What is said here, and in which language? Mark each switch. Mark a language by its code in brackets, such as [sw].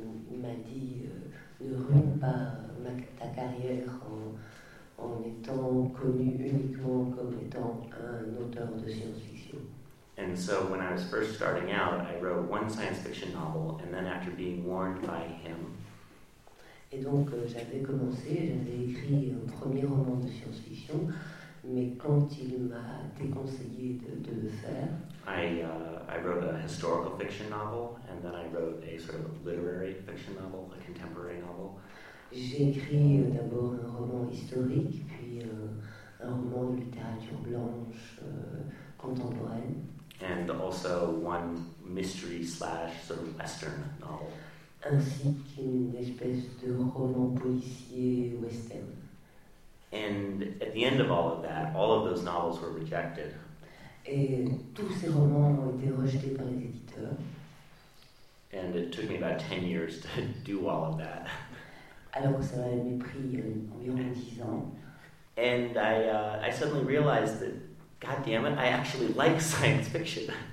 [fr] Il m'a dit, ne ruine pas ta carrière en étant connu uniquement comme étant un auteur de science-fiction. [en] And so when I was first starting out, I wrote one science fiction novel, and then after being warned by him. [fr] Et donc j'avais commencé, j'avais écrit un premier roman de science-fiction, mais quand il m'a déconseillé de le faire, [en] I wrote a historical fiction novel, and then I wrote a sort of literary fiction novel, a contemporary novel. [fr] J'ai écrit d'abord un roman historique, puis un roman de littérature blanche contemporaine. [en] And also one mystery slash sort of western novel. [fr] Ainsi qu'une espèce de roman policier western. [en] And at the end of all of that, all of those novels were rejected. [fr] Et tous ces romans ont été rejetés par les éditeurs. [en] And it took me about 10 years to do all of that. [fr] Alors ça m'avait pris environ 10 ans. [en] And I suddenly realized that, God damn it, I actually like science fiction.